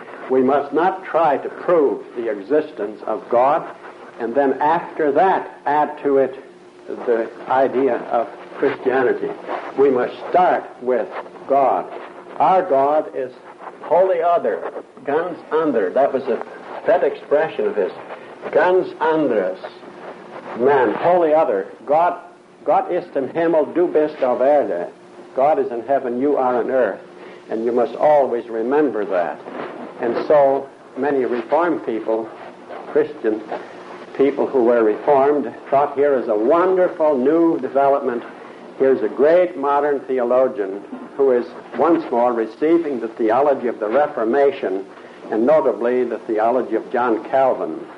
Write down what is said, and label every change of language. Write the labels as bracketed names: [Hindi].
[English] We must not try to prove the existence of God, and then after that add to it the idea of Christianity. We must start with God. Our God is wholly other, [German] ganz ander. [English] That was a pet expression of his. [German] Ganz anderes. [English] Man, wholly other. [German] God ist im Himmel, du bist auf Erde. [English] God is in heaven, you are on earth. And you must always remember that. And so many Reformed people, Christian people who were Reformed, thought here is a wonderful new development. Here's a great modern theologian who is once more receiving the theology of the Reformation, and notably the theology of John Calvin.